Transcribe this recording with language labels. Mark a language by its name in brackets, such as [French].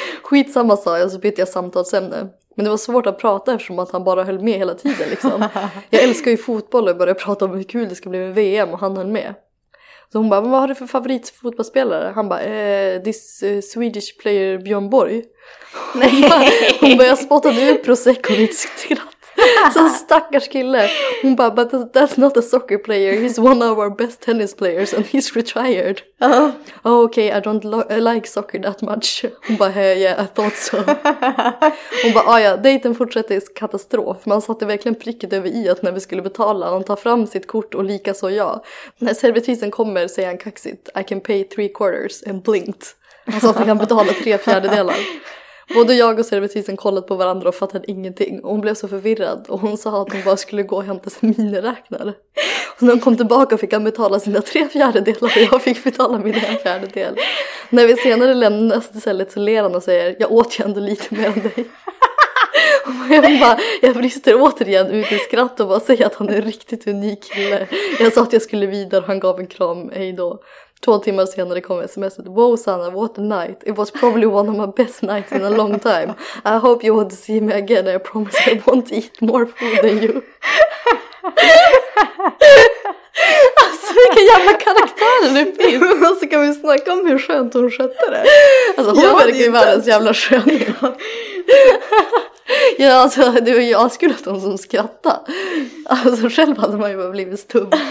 [Swedish] Skitsamma, sa jag, så bytte jag samtalsämne. Men det var svårt att prata eftersom att han bara höll med hela tiden liksom. Jag älskar ju fotboll och började prata om hur kul det ska bli med VM och han höll med. Så hon bara, men vad har du för favoritfotbollsspelare? Han bara, [English] Swedish player Björn Borg. [Swedish] Nej. Hon bara, jag spottade ut Prosecco och inte skratt. Så stackars kille. Hon bara, [English] but that's not a soccer player. He's one of our best tennis players and he's retired. Uh-huh. Oh, okay, I don't like soccer that much. [Swedish] Hon bara, [English] hey, yeah, I thought so. [Swedish] Hon bara, ja, dejten fortsätter i katastrof. Man satte verkligen pricket över i att när vi skulle betala. Han tar fram sitt kort och lika så jag. När servitrisen kommer säger han kaxigt, [English] I can pay 3/4 and blinked. [Swedish] Han sa att han kan betala 3/4. Både jag och servitrisen kollat på varandra och fattade ingenting. Och hon blev så förvirrad. Och hon sa att hon bara skulle gå och hämta sin miniräknare. Och när hon kom tillbaka fick han betala sina 3/4. Och jag fick betala min 1/4. När vi senare lämnade stället så ler han och säger, jag åt ju ändå lite mer än dig. Och jag bara, jag brister återigen ut i skratt och bara säger att han är en riktigt unik kille. Jag sa att jag skulle vidare och han gav en kram, hej då. 2 timmar senare kom sms'et. [English] Wow, Sanna, what a night. It was probably one of my best nights in a long time. I hope you want to see me again. I promise I won't eat more food than you. [Swedish] Alltså, vilken jävla karaktär det finns. Och så kan vi snacka om hur skönt hon skötte det. Alltså, hon verkar ju världens jävla skön. Ja, alltså, det var ju jag skulle att de som skrattade. Alltså själv hade man ju bara blivit stum.